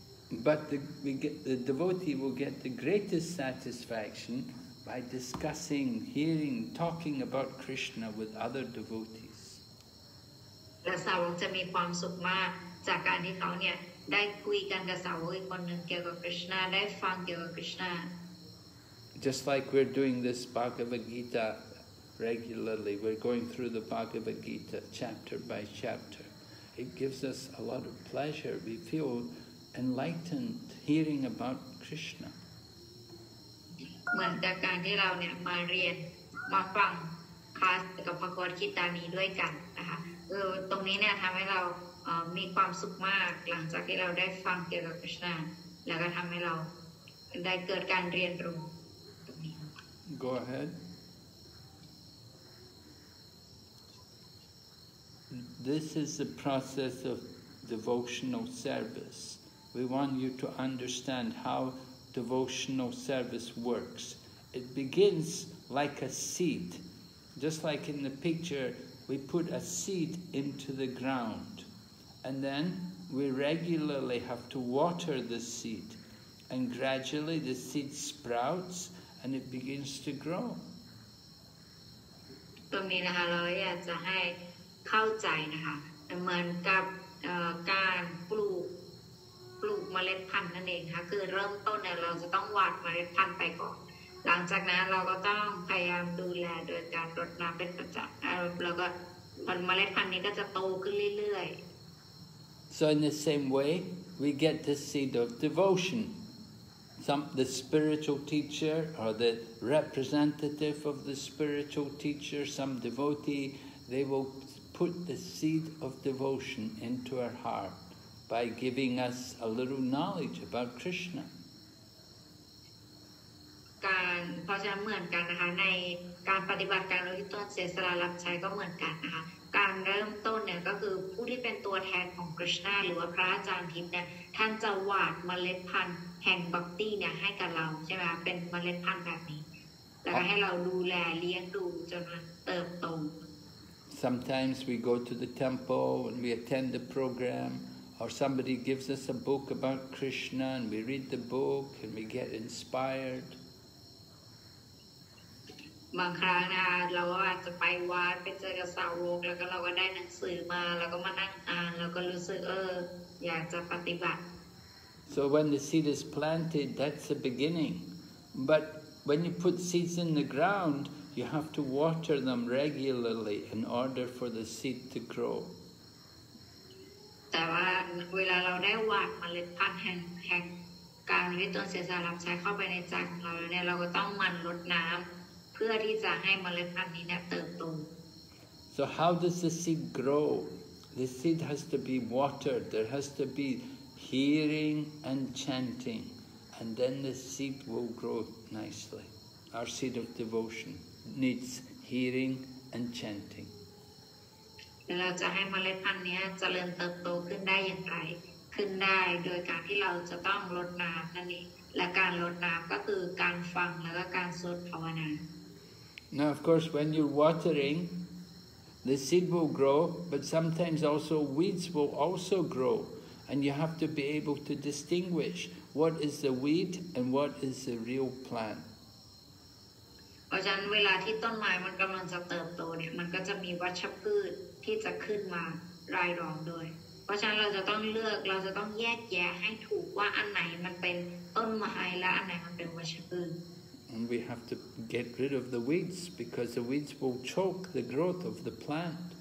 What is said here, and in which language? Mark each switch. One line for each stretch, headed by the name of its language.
English: But the devotee will get the greatest satisfaction by discussing, hearing, talking about Krishna with other devotees.
Thai: และสาวกจะมีความสุขมากจากการที่เขาเนี่ยได้คุยกันกับสาวกอีกคนหนึ่งเกี่ยวกับคริสต์นาได้ฟังเกี่ยวกับคริสต์นา
English: Just like we're doing this Bhagavad Gita regularly, we're going through the Bhagavad Gita chapter by chapter. It gives us a lot of pleasure. We feel enlightened hearing about Krishna.
Thai: เหมือนกับการที่เราเนี่ยมาเรียนมาฟังคลาสกับพระกวดกีตานี้ด้วยกันตรงนี้เนี่ยทำให้เรามีความสุขมากหลังจากที่เราได้ฟังเกี่ยวกับคริสต์นาแล้วก็ทำให้เราได้เกิดการเรียนรู้ตรงนี้
English: Go ahead This is the process of devotional service We want you to understand how devotional service works It begins like a seed Just like in the pictureWe put a seed into the ground and then we regularly have to water the seed and gradually the seed sprouts and it begins to grow.
Thai: ตรงนี้นะคะเราอยากจะให้เข้าใจนะคะเหมือนกับการปลูกเมล็ดพันธุ์นั่นเองค่ะคือเริ่มต้นเราจะต้องหว่านเมล็ดพันธุ์ไปก่อนหลังจากนั้นเราก็ต้องพยายามดูแลโดยการรดน้ำเป็นประจำแล้วก็ผลเมล็ดพันธุ์นี้ก็จะโตขึ้นเรื่อย
English: ๆ So in the same way we get the seed of devotion some the spiritual teacher or the representative of the spiritual teacher some devotee they will put the seed of devotion into our heart by giving us a little knowledge about Krishna.
Thai: การเพราะฉะนั้นเหมือนกันนะคะในการปฏิบัติการรู้ที่ต้นเสียสละรับใช้ก็เหมือนกันนะคะการเริ่มต้นเนี่ยก็คือผู้ที่เป็นตัวแทนของคริสต์นาหรือว่าพระอาจารย์ทิพย์เนี่ยท่านจะหว่านเมล็ดพันธุ์แห่งบัคตี้เนี่ยให้กับเราใช่ไหมเป็นเมล็ดพันธุ์แบบนี้แล้วก็ให้เราดูแลเลี้ยงดูจนมันเติบโต
English: Sometimes we go to the temple and we attend the programOr somebody gives us a book about Krishna and we read the book and we get inspired.
Thai: บางครั้งนะคะเราก็อาจจะไปวัดไปเจอกับสาวกแล้วก็เราก็ได้หนังสือมาแล้วก็มานั่งอ่านแล้วก็รู้สึกอยากจะปฏิบัติ
English: So when the seed is planted that's the beginning but when you put seeds in the ground you have to water them regularly in order for the seed to grow
Thai: แต่ว่าเวลาเราได้หว่านเมล็ดพันธุ์แห่งการรดน้ำเสียสารับใช้เข้าไปในใจของเราเนี่ยเราก็ต้องหมั่นรดน้ำเพื่อที่จะให้เมล็ดพันธุ์นี้เนี่ยเติบโต
English: So how does the seed grow? The seed has to be watered. There has to be hearing and chanting, and then the seed will grow nicely. Our seed of devotion needs hearing and chanting.
Thai: เราจะให้เมล็ดพันธุ์นี้เจริญเติบโตขึ้นได้อย่างไรขึ้นได้โดยการที่เราจะต้องรดน้ำนั่นเองและการรดน้ำก็คือการฟังแล้วก็การสวดภาวนา
English: Now, of course, when you're watering, the seed will grow, but sometimes also weeds will also grow. And you have to be able to distinguish what is the weed and what is the real plant. And we have to get rid of the weeds because the weeds will choke the growth of the plant.